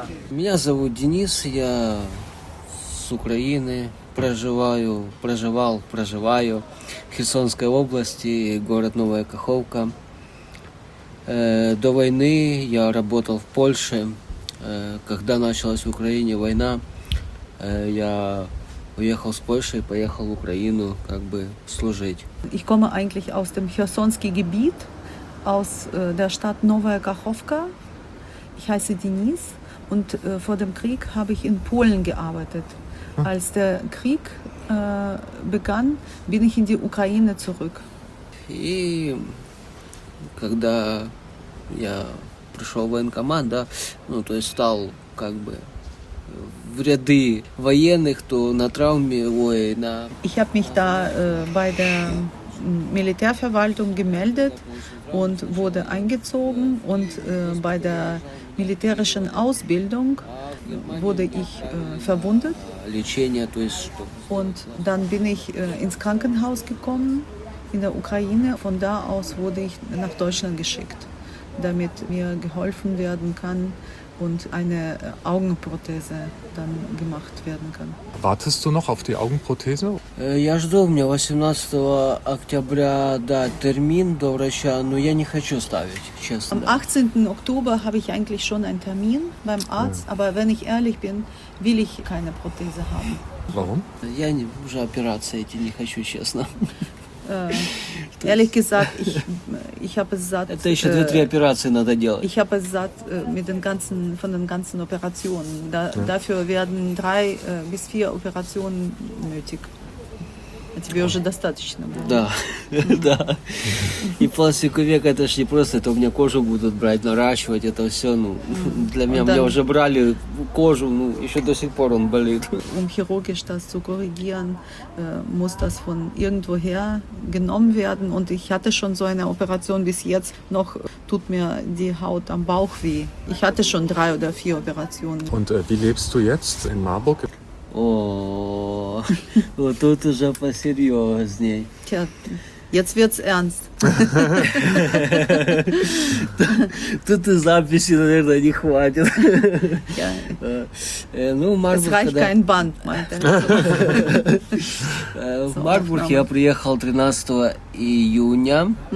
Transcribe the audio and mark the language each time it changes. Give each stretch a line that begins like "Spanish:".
Russian: Меня зовут Денис, я с Украины, проживаю в Херсонской области, город Новая Каховка. До войны я работал в Польше. Когда началась в Украине война, я уехал с Польши и поехал в Украину, как бы служить.
German: Ich komme eigentlich aus dem Chersonskij Gebiet, aus der Stadt Nowa Kachowka. Ich heiße Denis und vor dem Krieg habe ich in Polen gearbeitet. Als der Krieg begann, bin ich in die Ukraine zurück.
Russian: И когда я пришел в военкомат, да, ну, то есть стал как бы в ряды военных, то на травме, ой, на...
German: Ich habe mich da bei der Militärverwaltung gemeldet und wurde eingezogen und bei der militärischen Ausbildung wurde ich verwundet.
Russian: Лечение, то есть...
German: Und dann bin ich ins Krankenhaus gekommen in der Ukraine. Von da aus wurde ich nach Deutschland geschickt, damit mir geholfen werden kann und eine Augenprothese dann gemacht werden kann. Wartest du noch auf die Augenprothese?
Russian: Я жду, у меня 18 октября, да, термин до врача, но я не хочу ставить, честно.
German: Am 18. Oktober habe ich eigentlich schon einen Termin beim Arzt, aber wenn ich ehrlich bin, will ich keine Prothese haben. Warum?
Russian: Я не, уже операции эти не хочу, честно.
German: Ehrlich gesagt, ich habe es satt.
Russian: Это еще 2-3 операции надо делать.
German: Ich habe es satt mit den ganzen, von den ganzen Operationen. Da, ja. Dafür werden 3-4 Operationen nötig.
Russian: А тебе уже достаточно было. Да, да. И пластику века, это ж не просто, это у меня кожу будут брать, наращивать, это все, ну, для меня, мне уже брали кожу, ну, еще до сих пор он болит.
German: Um chirurgisch das zu korrigieren, muss das von irgendwoher genommen werden. Und ich hatte schon so eine Operation, bis jetzt noch tut mir die Haut am Bauch weh. Ich hatte schon 3-4 Operationen. Und wie lebst du jetzt in Marburg?
Russian: О, вот тут уже посерьезней.
German: Jetzt wird's ernst.
Russian: Тут и записи, наверное, не хватит. Ну, в Марбург я приехал 13 июня.